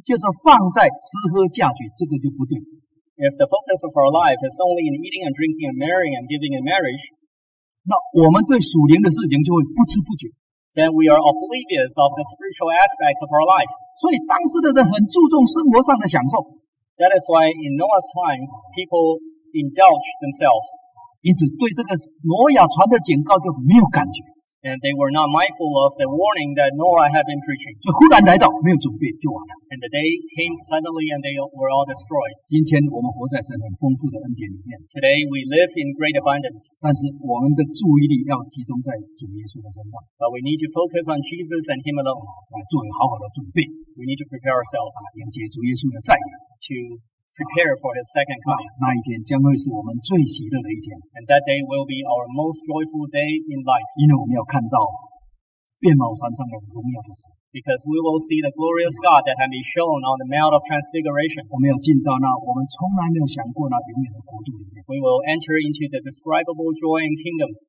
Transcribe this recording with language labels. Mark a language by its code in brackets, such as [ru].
[zh] 如果我们把生活的中心就是放在吃喝嫁娶，这个就不对。 [en] If the focus of our life is only in eating and drinking and marrying and giving in marriage, [zh] 那我们对属灵的事情就会不知不觉。 [en] Then we are oblivious of the spiritual aspects of our life. [zh] 所以当时的人很注重生活上的享受。 [en] That is why in Noah's time, people indulge themselves. [zh] 因此对这个挪亚传的警告就没有感觉。 [en] And they were not mindful of the warning that Noah had been preaching. [zh] 就忽然来到，没有准备就完了。 [en] And the day came suddenly, and they were all destroyed. [zh] 今天我们活在神很丰富的恩典里面。 [en] Today we live in great abundance. [zh] 但是我们的注意力要集中在主耶稣的身上。 [en] But we need to focus on Jesus and Him alone. [zh] 来做有好好的准备。 [en] We need to prepare ourselves. [zh] 迎接主耶稣的再来。 [en] To prepare for His second coming. [zh] 那一天将会是我们最喜乐的一天。 [en] And that day will be our most joyful day in life. [zh] 因为我们要看到遍满山上的荣耀的神。 [en] Because we will see the glorious God that has been shown on the Mount of Transfiguration. [zh] 我们要进到那我们从来没有想过那永远的国度里面。 [en] We will enter into the indescribable joy and kingdom.